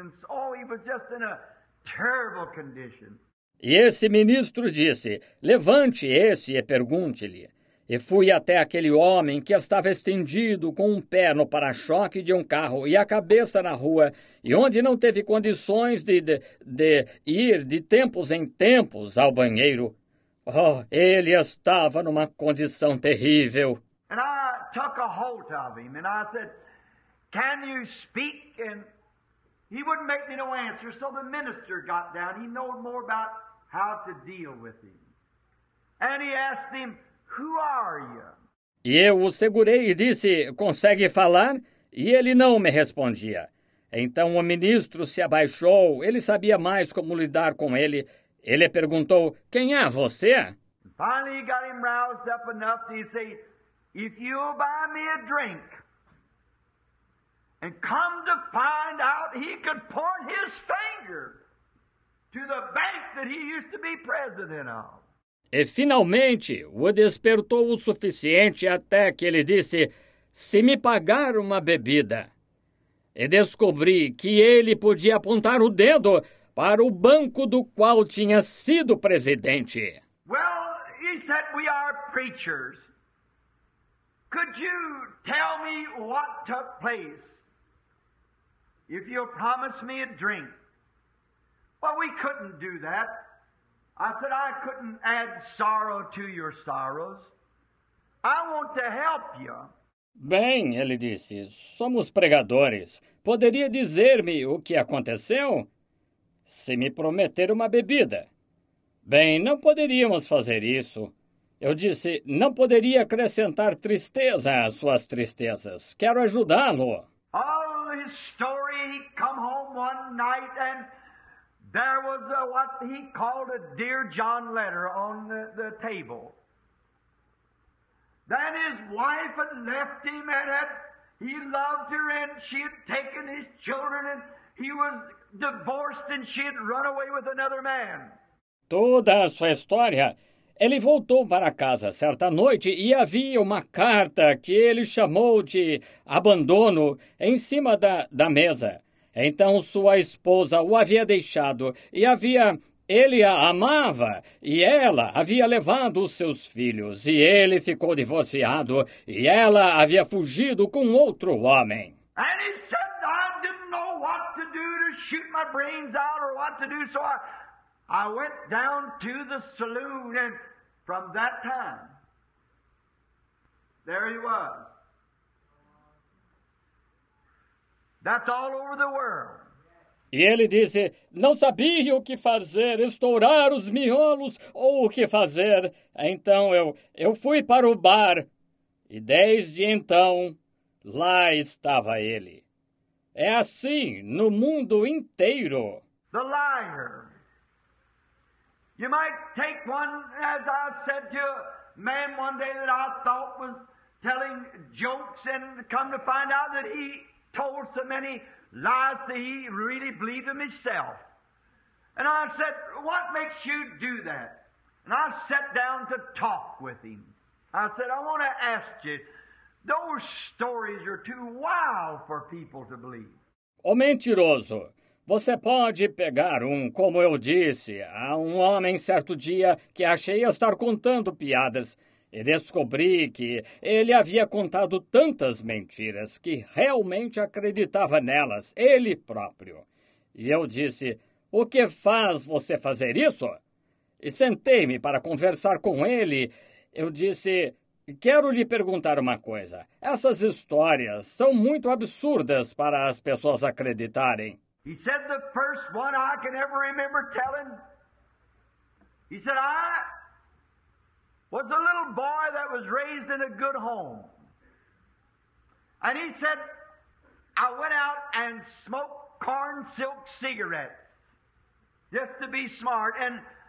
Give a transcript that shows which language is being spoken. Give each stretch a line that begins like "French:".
English: And so, oh, he was just in a terrible condition.
Portuguese: E esse ministro disse, levante esse e pergunte-lhe. E fui até aquele homem que estava estendido com um pé no para-choque de um carro e a cabeça na rua, e onde não teve condições de ir de tempos em tempos ao banheiro. Oh, ele estava numa condição terrível.
English: And I took a hold of him and I said, can you speak? And he wouldn't make me no answer, so the minister got down. He knew more about how to deal with him. And he asked him, who are you?
Portuguese: E eu o segurei e disse, consegue falar? E ele não me respondia. Então o ministro se abaixou, ele sabia mais como lidar com ele. Ele perguntou, quem é você?
English: Finally he got him roused up enough to say, if you'll buy me a drink, and come to find out he could point his finger to the bank that he used to be president of.
Portuguese: E finalmente o despertou o suficiente até que ele disse, se me pagar uma bebida. E descobri que ele podia apontar o dedo para o banco do qual tinha sido presidente.
English: Well, he said we are preachers. Could you tell me what took place if you'll promise me a drink? Well, we couldn't do that. I said, I couldn't add sorrow to your sorrows. I want to help you.
Portuguese: Bem, ele disse, somos pregadores. Poderia dizer-me o que aconteceu? Se me prometer uma bebida. Bem, não poderíamos fazer isso. Eu disse, não poderia acrescentar tristeza às suas tristezas. Quero ajudá-lo.
English: All his story, he come home one night and there was a, what he called a Dear John letter on the table. Then his wife had left him and had, he loved her and she had taken his children and he was divorced and she had run away with another man.
Portuguese: Toda a sua história. Ele voltou para casa certa noite e havia uma carta que ele chamou de abandono em cima da mesa. Então sua esposa o havia deixado e havia, ele a amava e ela havia levado os seus filhos e ele ficou divorciado e ela havia fugido com outro homem.
English: And he said, I didn't know what to do to shoot my brains out or what to do, so I went down to the saloon and from that time, there he was. That's all over the world.
Portuguese: E ele disse, não sabia o que fazer, estourar os miolos ou o que fazer. Então eu fui para o bar e desde então lá estava ele. É assim no mundo inteiro.
English: The liar. You might take one, as I said to a man one day that I thought was telling jokes and come to find out that he told so many lies that he really believed in himself. And I said, what makes you do that? And I sat down to talk with him. I said, I want to ask you, those stories are too wild for people to believe.
Portuguese: O mentiroso, você pode pegar um, como eu disse, a um homem certo dia que achei estar contando piadas. E descobri que ele havia contado tantas mentiras que realmente acreditava nelas, ele próprio. E eu disse, o que faz você fazer isso? E sentei-me para conversar com ele. Eu disse, quero lhe perguntar uma coisa. Essas histórias são muito absurdas para as pessoas acreditarem.
English: He said the first one I can ever remember telling. He said, was a little boy that was raised in a good home. And he said, I went out and smoked corn silk cigarettes just to be smart. And